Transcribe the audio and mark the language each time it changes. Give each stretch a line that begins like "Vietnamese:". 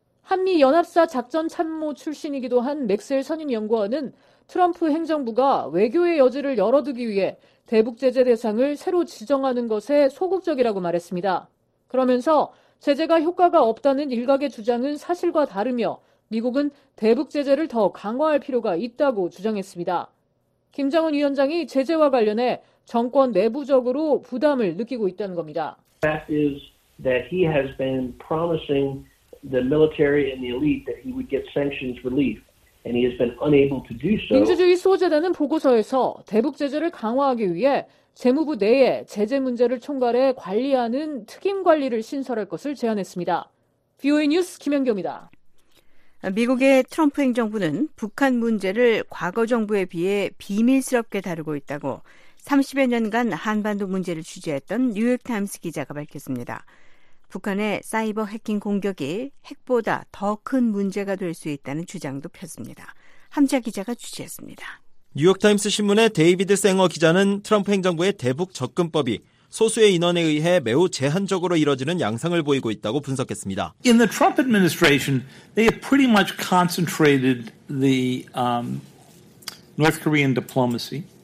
Korean: 한미 연합사 작전 참모 출신이기도 한 맥스웰 선임 연구원은 트럼프 행정부가 외교의 여지를 열어두기 위해 대북 제재 대상을 새로 지정하는 것에 소극적이라고 말했습니다. 그러면서 제재가 효과가 없다는 일각의 주장은 사실과 다르며 미국은 대북 제재를 더 강화할 필요가 있다고 주장했습니다. 김정은 위원장이 제재와 관련해 정권 내부적으로 부담을 느끼고 있다는 겁니다.
English: The fact is that he has been promising the military and the elite that he would get sanctions relief. And he has been unable to do so.
Korean: 민주주의 수호재단은 보고서에서 대북 제재를 강화하기 위해 재무부 내에 제재 문제를 총괄해 관리하는 특임 관리를 신설할 것을 제안했습니다. VOA 뉴스 김연경입니다. 미국의 트럼프 행정부는 북한 문제를 과거 정부에 비해 비밀스럽게 다루고 있다고 30여 년간 한반도 문제를 취재했던 뉴욕타임스 기자가 밝혔습니다. 북한의 사이버 해킹 공격이 핵보다 더 큰 문제가 될 수 있다는 주장도 폈습니다. 함자 기자가 취재했습니다. 뉴욕타임스 신문의 데이비드 생어 기자는 트럼프 행정부의 대북 접근법이 소수의 인원에 의해 매우 제한적으로 이뤄지는 양상을 보이고 있다고 분석했습니다.
English: In the Trump administration, they have pretty much concentrated the North Korean diplomacy.